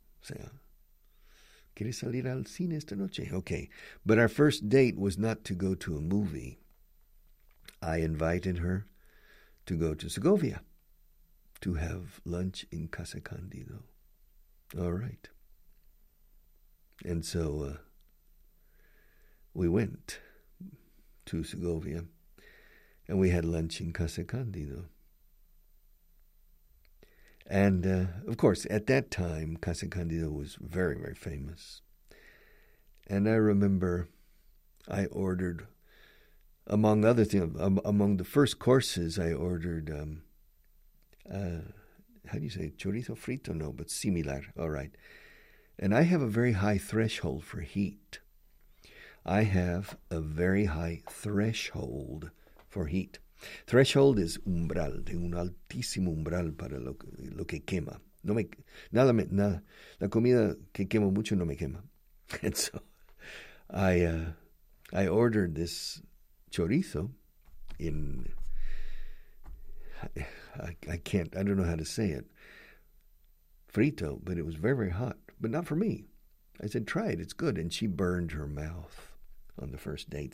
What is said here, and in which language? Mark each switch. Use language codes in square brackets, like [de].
[es] O sea, ¿quieres salir al cine esta noche? [en] Okay. But our first date was not to go to a movie. I invited her to go to Segovia to have lunch in Casa Candido. All right. And so we went to Segovia and we had lunch in Casa Candido. And of course, at that time, Casa Candido was very, very famous. And I remember I ordered, among other things, among the first courses I ordered, how do you say, chorizo frito? No, but similar. All right. And I have a very high threshold for heat. I have a very high threshold for heat. [es] Threshold es umbral, tengo un altísimo umbral para lo que quema. No me, nada, me, nada. La comida que quemo mucho no me quema. [en] And so I ordered this chorizo in, I don't know how to say it, frito, but it was very, very hot, but not for me. I said, try it, it's good. And she burned her mouth on the first date.